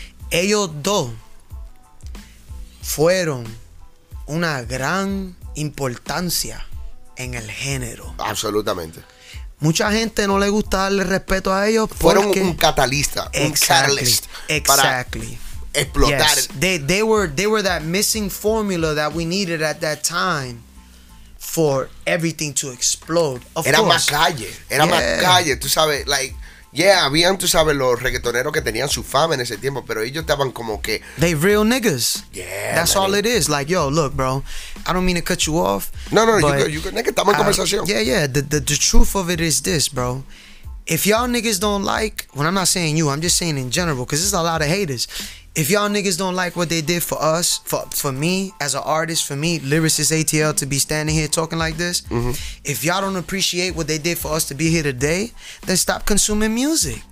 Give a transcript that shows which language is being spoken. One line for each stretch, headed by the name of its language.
Spanish: Ellos dos fueron una gran importancia en el género. Absolutamente. Mucha gente no le gusta darle respeto a ellos. Fueron porque... un catalista.
English: Exactly.
Spanish: Para explotar.
English: Yes. They were that missing formula that we needed at that time for everything to explode. Of
Spanish: era
English: course.
Spanish: Más calle. Era más calle. Tú sabes,
English: like, yeah,
Spanish: habían, tú sabes, los reggaetoneros que tenían su fama en ese tiempo, pero ellos estaban como que...
English: They real niggas. Yeah. That's all it is. Like, yo, look, bro, I don't mean to cut you off. No, you good. Nigga,
Spanish: estamos en conversación.
English: Yeah. The truth of it is this, bro. If y'all niggas don't like... Well, I'm not saying you. I'm just saying in general, because there's a lot of haters. If y'all niggas don't like what they did for us, for me as an artist, for me, Lyricist ATL, to be standing here talking like this, if y'all don't appreciate what they did for us to be here today, then stop consuming music.